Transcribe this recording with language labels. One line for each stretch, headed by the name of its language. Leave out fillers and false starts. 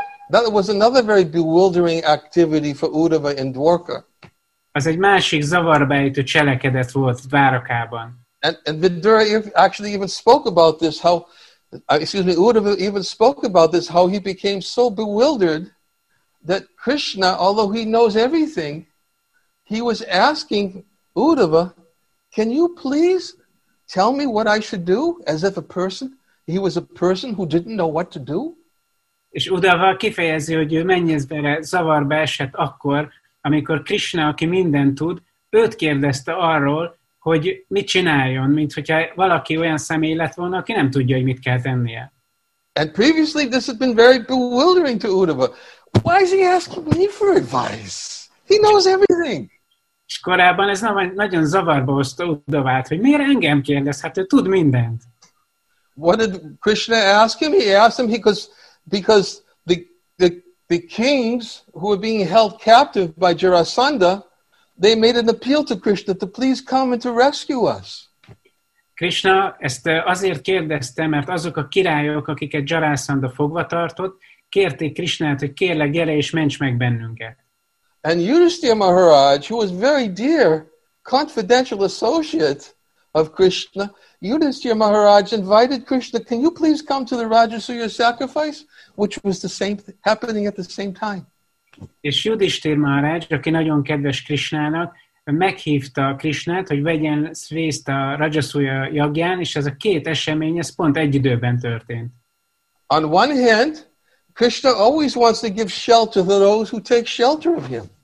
English: That was another very bewildering activity for Uddhava in Dwarka.
Hungarian: Az egy másik zavarbejtő cselekedet volt Dvárakában.
English: And Vidura actually even spoke about this, Uddhava even spoke about this, how he became so bewildered that Krishna, although he knows everything, he was asking Uddhava, can you please tell me what I should do? As if he was a person who didn't know what to do.
Hungarian: És Uddhava kifejezi, hogy ő mennyezbere zavarba esett akkor, amikor Krishna, aki mindent tud, őt kérdezte arról, hogy mit csináljon, mint hogyha valaki olyan személy lett volna, aki nem tudja, hogy mit kell tennie.
English: And previously this had been very bewildering to Uddhava. Why is he asking me for advice? He knows everything.
Hungarian: És korábban ez nagyon zavarba hozta Uddhavát, hogy miért engem kérdez, hát ő tud mindent.
English: What did Krishna ask him? He asked him because the kings who were being held captive by Jarasandha, They made an appeal to Krishna to please come and to rescue us.
Hungarian: Krishna ezt azért kérdezte, mert azok a királyok, akiket Jarasandha fogva tartott, kérték Krishnát, hogy kérlek, gyere és ments meg bennünket.
English: And Yudhisthira Maharaj, who was very dear, confidential associate of Krishna, Yudhisthira Maharaj invited Krishna, can you please come to the Rajasuya sacrifice, which was the same happening at the same time.
Hungarian: És Yudhisthira Maharaj, aki nagyon kedves Krishnának, meghívta Krishnát, hogy vegyen részt a Rajasuya jagján, és ez a két esemény ez pont egy időben történt.
English: On one hand, Krishna always wants to give shelter to those who take shelter of him.